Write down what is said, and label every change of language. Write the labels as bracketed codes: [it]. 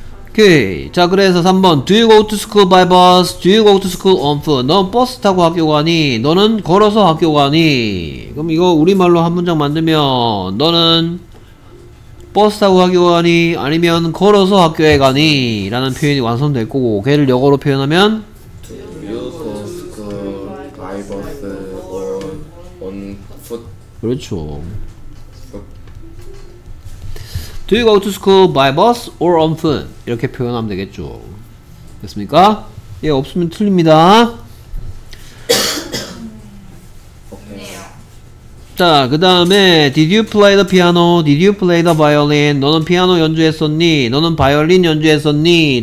[ko] 오케이. 자, 그래서 3번. [en] Do you go to school by bus? Do you go to school on foot? [ko] 넌 버스 타고 학교 가니? 너는 걸어서 학교 가니? 그럼 이거 우리말로 한 문장 만들면 너는 버스 타고 학교 가니? 아니면 걸어서 학교에 가니? 라는 표현이 완성될 거고 걔를 영어로 표현하면 [en] Do you go to school by bus or on foot? [ko] 그렇죠. [en] Do you go to school by bus or on foot? [ko] 이렇게 표현하면 되겠죠. 됐습니까? 예, 없으면 틀립니다. 자, 그 다음에 [en] Did you play the piano? Did you play the violin? [ko] 너는 피아노 연주했었니? 너는 바이올린 연주했었니?